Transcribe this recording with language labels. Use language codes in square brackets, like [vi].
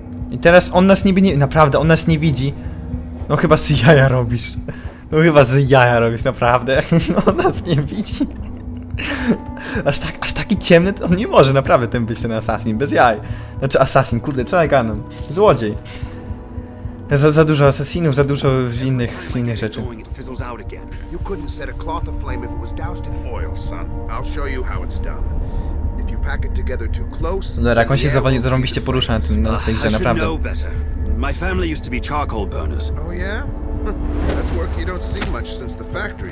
[pl] I teraz on nas niby nie... Naprawdę, on nas nie widzi. No chyba z jaja robisz. No chyba z jaja robisz, naprawdę. On nas nie widzi. Aż taki ciemny, on nie może naprawdę tym być ten assassin, bez jaj. Znaczy assassin, kurde, co ja gadam? Złodziej. Za dużo assassinów, za dużo innych rzeczy. [en] You couldn't set a cloth aflame if it was doused in oil, son. I'll show you how it's done. If you pack it together too close. [pl] No, jak on się zarąbiście porusza na tym, no, w tej grze, naprawdę. [en] My family used to be charcoal burners. Oh yeah? That's work you don't see much since the factory.